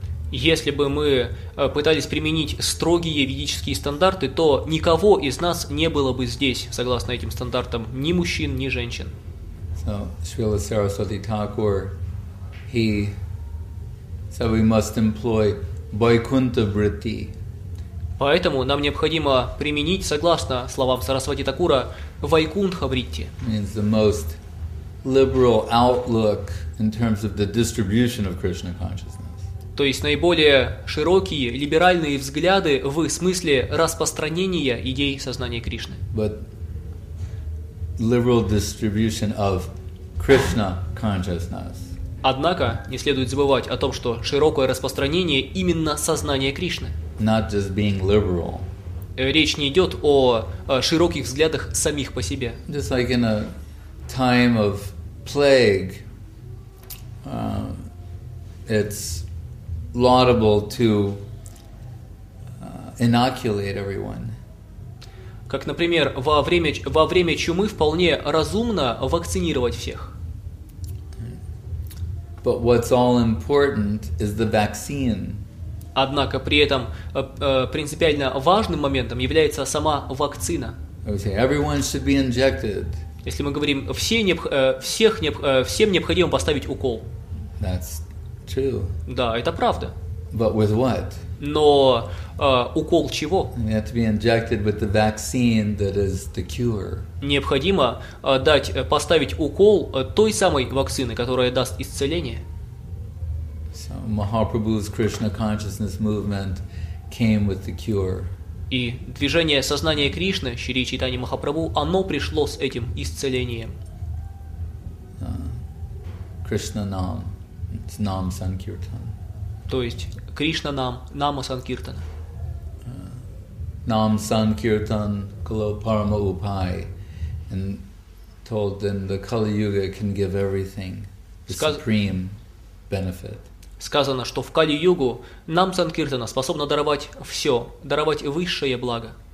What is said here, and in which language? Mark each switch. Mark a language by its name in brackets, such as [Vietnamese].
[Russian] Если бы мы пытались применить строгие ведические стандарты, то никого из нас не было бы здесь, согласно этим стандартам, ни мужчин, ни женщин. [English] So, Srila Saraswati Thakur, he said we must employ Vaikuntha Vritti. [Russian] Поэтому нам необходимо применить, согласно словам Сарасвати Такура, Вайкунтха Вритти. [English] Means the most liberal outlook in terms of the distribution of Krishna consciousness. [Russian] То есть наиболее широкие либеральные взгляды в смысле распространения идей сознания Кришны. [English] But liberal distribution of Krishna consciousness. [Russian] Однако не следует забывать о том, что широкое распространение именно сознания Кришны. [English] Not just being liberal. [Russian] Речь не идет о широких взглядах самих по себе. [English] Just like in a time of plague, it's laudable to inoculate everyone. [Russian] Как, например, во время чумы вполне разумно вакцинировать всех. [English] But what's all important is the vaccine. [Russian] Однако при этом принципиально важным моментом является сама вакцина. [English] Everyone should be injected. [Russian] Если мы говорим, всем необходимо поставить укол. [English] That's true. [Russian] Да, это правда. [English] But with what? [Russian] Но укол чего? [English] You have to be injected with the vaccine that is the cure. [Russian] Необходимо поставить укол той самой вакцины, которая даст исцеление. [English] So Mahaprabhu's Krishna consciousness movement came with the cure. [Russian] И движение сознания Кришны, Шри Чайтанья Махапрабху, оно пришло с этим исцелением. [English] Krishna Nam. It's Nam Sankirtan. [Russian] То есть Кришна Нам, Нама Санкиртана. [Sanskrit] Нам Санкиртан Кало Парама Упай. [English] And told them the Kali Yuga can give everything. The supreme benefit. [Russian] Сказано, что в Кали-югу нам Санкиртана способна даровать все, даровать высшее благо.